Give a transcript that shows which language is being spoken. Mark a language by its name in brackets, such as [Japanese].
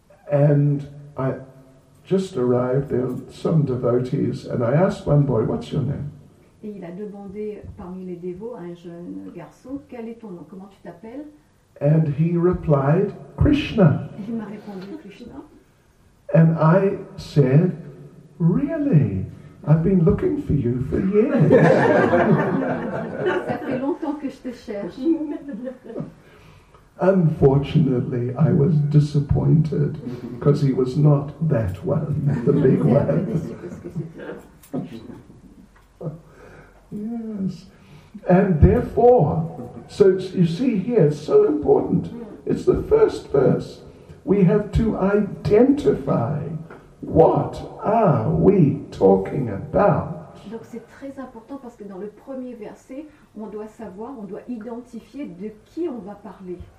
[English] And I just arrived, there were some devotees, and I asked one boy, what's your name? [French] Et il a demandé parmi les dévots à un jeune garçon, quel est ton nom, comment tu t'appelles? [English] And he replied, Krishna. [French] Il m'a répondu, Krishna. [English] And I said, really? I've been looking for you for years. [French] Ça fait longtemps que je te cherche. [English] Unfortunately, I was disappointed because he was not that one, the big one. Yes. And therefore, so you see here, it's so important. It's the first verse. We have to identify what are we talking about. [French] Donc c'est très important parce que dans le premier verset, on doit savoir, on doit identifier de qui on va parler.